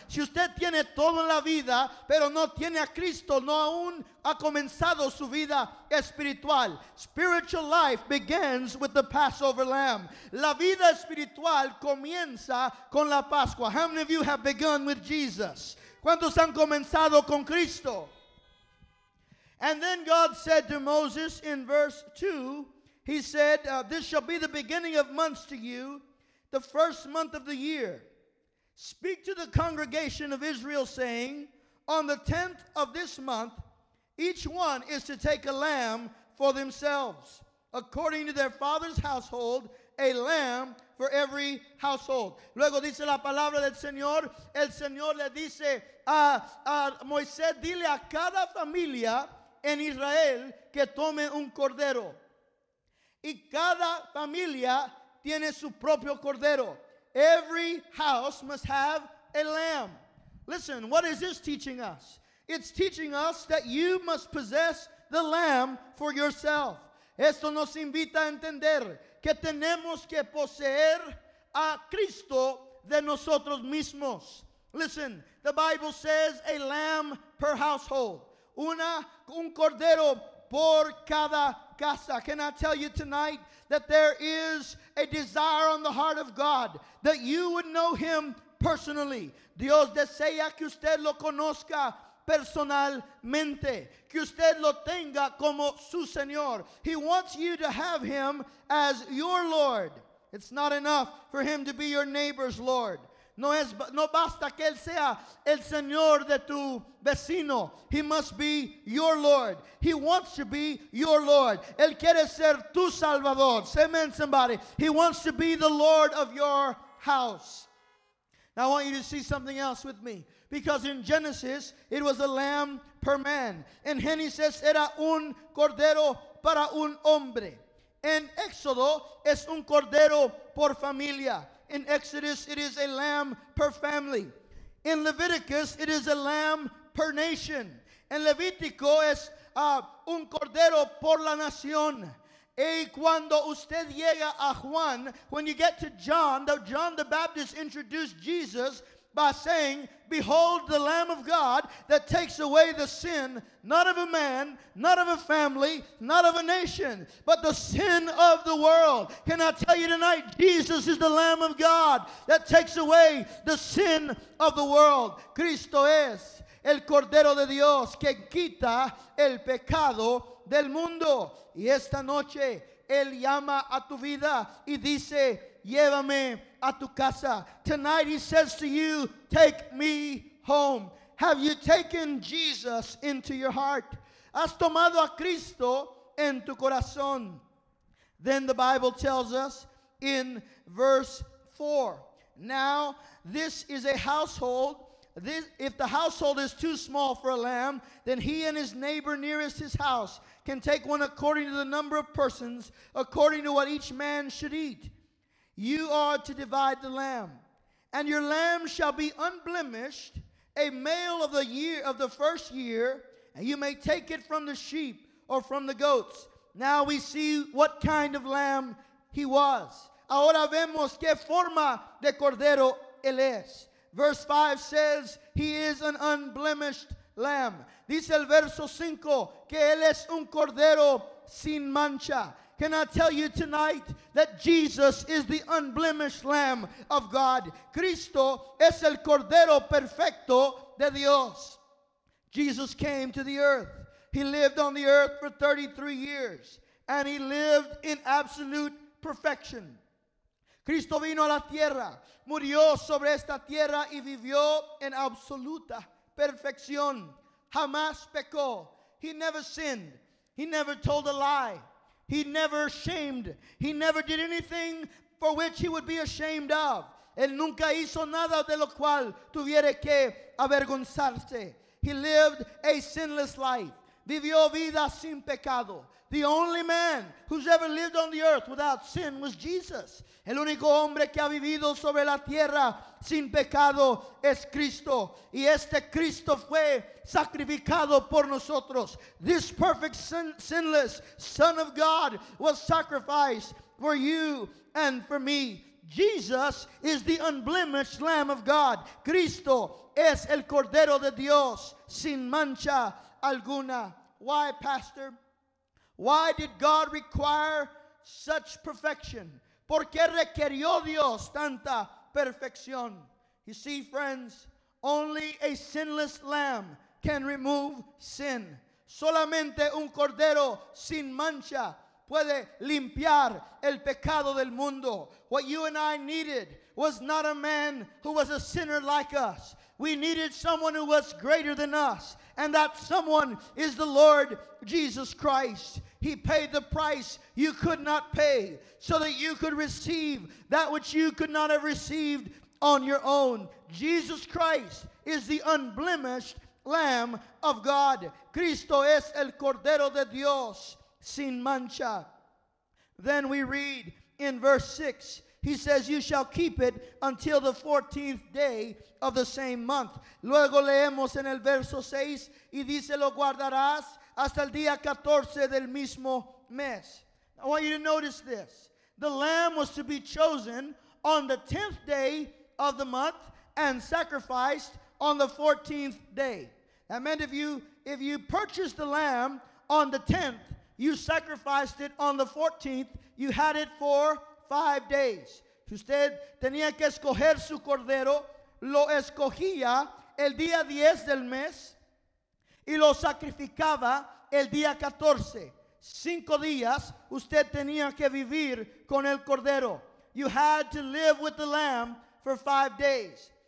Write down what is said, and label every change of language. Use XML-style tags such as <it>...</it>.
<es>Si usted tiene todo en la vida, pero no tiene a Cristo, no aún ha comenzado su vida espiritual.</es> <en>Spiritual life begins with the Passover lamb.</en> <es>La vida espiritual comienza con la Pascua.</es> <en>How many of you have begun with Jesus?</en> <es>¿Cuántos han comenzado con Cristo?</es> <en>And then God said to Moses in verse 2, he said, "This shall be the beginning of months to you. the first month of the year. Speak to the congregation of Israel, saying, on the 10th of this month, each one is to take a lamb for themselves, according to their father's household, a lamb for every household.</en> <es>Luego dice la palabra del Señor. El Señor le dice a Moisés, dile a cada familia en Israel que tome un cordero. Y cada familia tiene su propio cordero.</es> <en>Every house must have a lamb. Listen, what is this teaching us? It's teaching us that you must possess the lamb for yourself.</en> <es>Esto nos invita a entender que tenemos que poseer a Cristo de nosotros mismos.</es> <en>Listen, the Bible says a lamb per household.</en> <es>Un cordero por cada casa.</es> <en>Can I tell you tonight that there is a desire on the heart of God that you would know him personally.</en> <es>Dios desea que usted lo conozca personalmente, que usted lo tenga como su Señor.</es> <en>He wants you to have him as your Lord. It's not enough for him to be your neighbor's Lord.</en> <es>No basta que él sea el Señor de tu vecino.</es> <en>He must be your Lord. He wants to be your Lord.</en> <es>Él quiere ser tu Salvador.</es> <en>Amen, somebody. He wants to be the Lord of your house. Now I want you to see something else with me. Because in Genesis, it was a lamb per man.</en> <es>In Genesis, era un cordero para un hombre. In Exodus, es un cordero por familia.</es> <en>In Exodus, it is a lamb per family. In Leviticus, it is a lamb per nation.</en> <es>In Levítico, es un cordero por la nación. Y cuando usted llega a Juan,</es> <en>when you get to John, though John the Baptist introduced Jesus by saying, behold the Lamb of God that takes away the sin, not of a man, not of a family, not of a nation, but the sin of the world. Can I tell you tonight, Jesus is the Lamb of God that takes away the sin of the world.</en> <es>Cristo es el Cordero de Dios que quita el pecado del mundo. Y esta noche, Él llama a tu vida y dice, llévame a tu casa.</es> <en>Tonight he says to you, take me home. Have you taken Jesus into your heart?</en> <es>Has tomado a Cristo en tu corazón?</es> <en>Then the Bible tells us in verse 4. Now, this is a household. If the household is too small for a lamb, then he and his neighbor nearest his house can take one according to the number of persons, according to what each man should eat. You are to divide the lamb, and your lamb shall be unblemished, a male of the year of the first year, and you may take it from the sheep or from the goats. Now we see what kind of lamb he was.</en> <es>Ahora vemos qué forma de cordero él es.</es> <en>Verse 5 says he is an unblemished lamb.</en> <es>Dice el verso 5 que él es un cordero sin mancha.</es> <en>Can I tell you tonight that Jesus is the unblemished Lamb of God?</en> <es>Cristo es el Cordero Perfecto de Dios.</es> <en>Jesus came to the earth. He lived on the earth for 33 years. And he lived in absolute perfection.</en> <es>Cristo vino a la tierra. Murió sobre esta tierra y vivió en absoluta perfección. Jamás pecó.</es> <en>He never sinned. He never told a lie. He never shamed. He never did anything for which he would be ashamed of.</en> <es>Él nunca hizo nada de lo cual tuviera que avergonzarse.</es> <en>He lived a sinless life.</en> <es>Vivió vida sin pecado.</es> <en>The only man who's ever lived on the earth without sin was Jesus.</en> <es>El único hombre que ha vivido sobre la tierra sin pecado es Cristo. Y este Cristo fue sacrificado por nosotros.</es> <en>This perfect, sinless Son of God was sacrificed for you and for me. Jesus is the unblemished Lamb of God.</en> <es>Cristo es el Cordero de Dios sin mancha alguna.</es> <en>Why, Pastor? Why did God require such perfection?</en> <es>¿Por qué requirió Dios tanta perfección?</es> <en>You see, friends, only a sinless lamb can remove sin.</en> <es>Solamente un cordero sin mancha puede limpiar el pecado del mundo.</es> <en>What you and I needed was not a man who was a sinner like us. We needed someone who was greater than us. And that someone is the Lord Jesus Christ. He paid the price you could not pay so that you could receive that which you could not have received on your own. Jesus Christ is the unblemished Lamb of God.</en> <es>Cristo es el Cordero de Dios sin mancha.</es> <en>Then we read in verse 6. He says, you shall keep it until the 14th day of the same month.</en> <es>Luego leemos en el verso 6, y dice, lo guardarás hasta el día 14 del mismo mes.</es> <en>I want you to notice this. The lamb was to be chosen on the 10th day of the month and sacrificed on the 14th day. That meant if you purchased the lamb on the 10th, you sacrificed it on the 14th, you had it for 5 days.</en> <es>Si usted tenía que escoger su cordero, lo escogía el día 10 del mes y lo sacrificaba el día 14. 5 días usted tenía que vivir con el cordero.</es> <en>You had to live with the lamb for 5 days.</en>